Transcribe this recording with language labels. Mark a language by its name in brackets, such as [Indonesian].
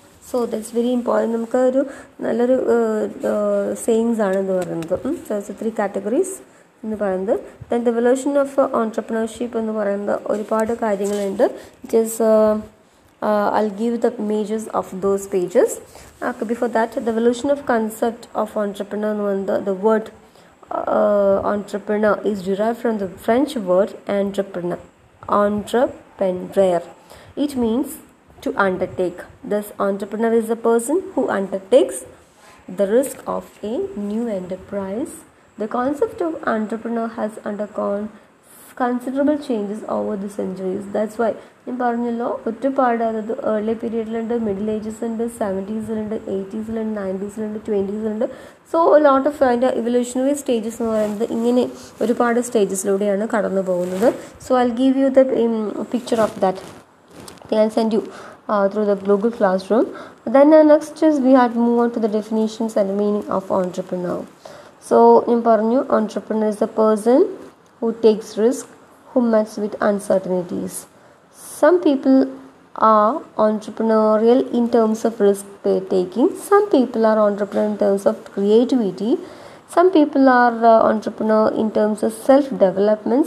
[English] So that's very important. [Malayalam] നമുക്ക് ഒരു നല്ലൊരു സെയിങ്സ് ആണെന്ന് പറയുന്നത്. സോ ത്രീ കാറ്റഗറീസ് എന്ന് പറയുന്നത്. [English] then the evolution of entrepreneurship [Malayalam] എന്ന് പറയുന്നത് ഒരുപാട് കാര്യങ്ങളുണ്ട്. [English] It is I'll give the images of those pages. Before that, the evolution of concept of entrepreneur, the word entrepreneur is derived from the French word entrepreneur, entrepreneur. It means to undertake. Thus, entrepreneur is a person who undertakes the risk of a new enterprise. The concept of entrepreneur has undergone considerable changes over the centuries. That's why [Malayalam] ഞാൻ പറഞ്ഞല്ലോ ഒരുപാട്, അതായത് early പീരീഡിലുണ്ട്, middle ഏജസിലുണ്ട്, സെവൻറ്റീസിലുണ്ട്, എയ്റ്റീസിലുണ്ട്, നയൻറ്റീസിലുണ്ട്, ട്വൻറ്റീസിലുണ്ട്. So lot of അതിൻ്റെ evolutionary stages എന്ന് പറയുന്നത് ഇങ്ങനെ ഒരുപാട് സ്റ്റേജസിലൂടെയാണ് കടന്നു പോകുന്നത്. [English] So I give you the picture of that, I send you through the global classroom. Then next is we had move on to the definitions and meaning of entrepreneur. So [Malayalam] ഞാൻ പറഞ്ഞു, [English] Entrepreneur is a person who takes risk, who meets with uncertainties. Some people are entrepreneurial in terms of risk taking. Some people are entrepreneur in terms of creativity. Some people are entrepreneur in terms of self development.